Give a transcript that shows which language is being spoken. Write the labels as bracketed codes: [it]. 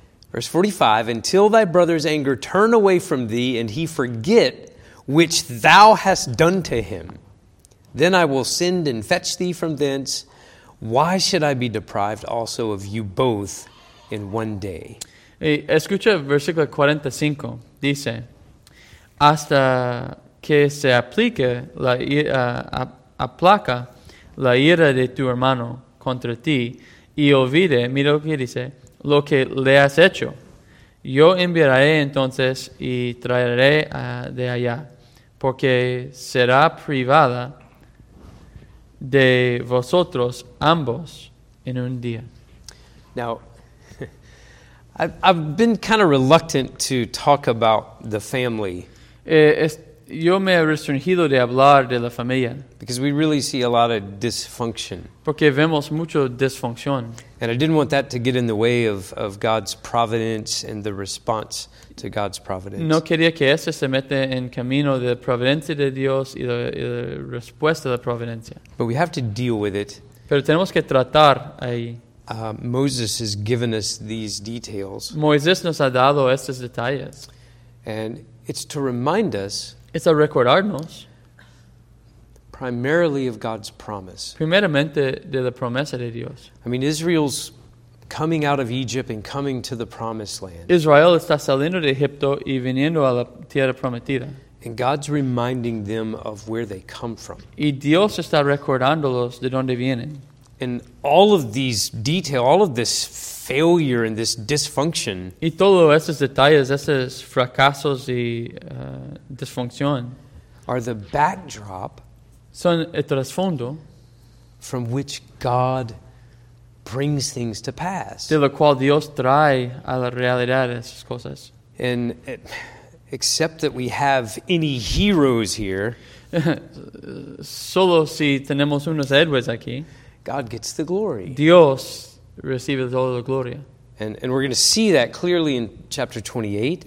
[en] Verse 45, until thy brother's anger turn away from thee and he forget which thou hast done to him. Then I will send and fetch thee from thence. Why should I be deprived also of you both in one day? [es] Escucha versículo 45. Dice, hasta que se aplique la aplaca la ira de tu hermano contra ti, y olvide, mira lo que dice, lo que le has hecho. Yo enviaré entonces y traeré de allá, porque será privada de vosotros ambos en un día. [en] Now, I've been kind of reluctant to talk about the family. [es] Yo me he restringido de hablar de la familia. [en] Because we really see a lot of dysfunction. [es] Porque vemos mucho disfunción. [en] And I didn't want that to get in the way of God's providence and the response to God's providence. [es] No quería que eso se meta en camino de providencia de Dios y la respuesta de la providencia. [en] But we have to deal with it. [es] Pero tenemos que tratar ahí. [en] Moses has given us these details. [es] Moisés nos ha dado estos detalles. [en] And it's to remind us. [es] Es a recordarnos. [en] Primarily of God's promise. [es] Primeramente de la promesa de Dios. [en] I mean, Israel's coming out of Egypt and coming to the promised land. [es] Israel está saliendo de Egipto y viniendo a la tierra prometida. [en] And God's reminding them of where they come from. [es] Y Dios está recordándolos de dónde vienen. [en] And all of these detail, all of this failure and this dysfunction. [es] Y todos esos detalles, esos fracasos y disfunción. [en] Are the backdrop. [es] Son el trasfondo. [en] From which God brings things to pass. [es] De lo cual Dios trae a la realidad esas cosas. [en] And except that we have any heroes here. [es] Solo si tenemos unos héroes aquí. [en] God gets the glory. [es] Dios recibe toda la gloria. [en] And we're going to see that clearly in chapter 28.